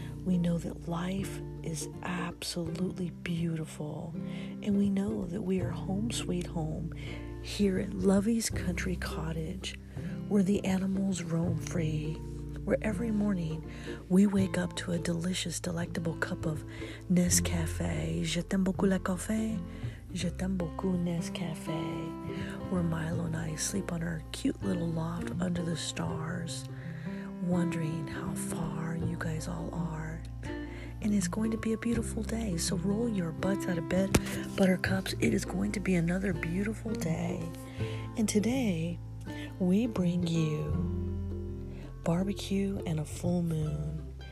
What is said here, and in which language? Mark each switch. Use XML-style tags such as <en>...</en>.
<en>We know that life is absolutely beautiful, and we know that we are home sweet home here at Lovey's Country Cottage, where the animals roam free, where every morning we wake up to a delicious, delectable cup of Nescafé.</en> <fr>Je t'aime beaucoup le café. Je t'aime beaucoup Nescafé.</fr> <en>Where Milo and I sleep on our cute little loft under the stars, wondering how far you guys all are. And it's going to be a beautiful day, so roll your butts out of bed, buttercups. It is going to be another beautiful day. And today, we bring you barbecue and a full moon.</en>